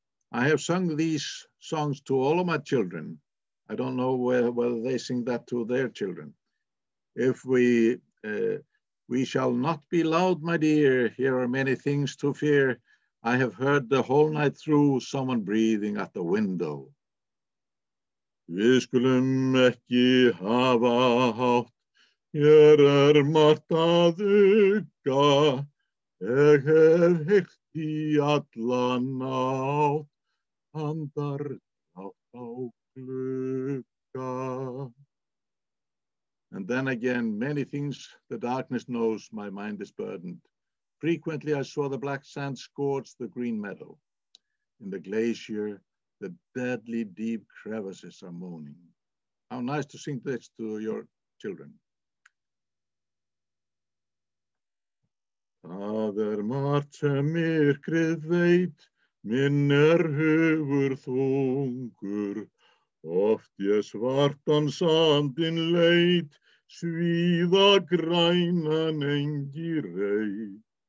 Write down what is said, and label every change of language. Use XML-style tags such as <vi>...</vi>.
<en>I have sung these songs to all of my children. I don't know whether they sing that to their children. If we shall not be loud, my dear, here are many things to fear. I have heard the whole night through someone breathing at the window.</en> <is>Við skulum ekki hafa hátt, hér margt að hugga, ég hef heyrt í alla nátt, andar hátt á glugga.</is> <en>And then again, many things the darkness knows, my mind is burdened. Frequently, I saw the black sand scorch the green meadow. In the glacier, the deadly deep crevices are moaning. How nice to sing this to your children.</en> <is>Það margt sem myrkrið veit, minn hugur þungur. Oft ég svartan sandin leit, svíða grænan engi reit.</is>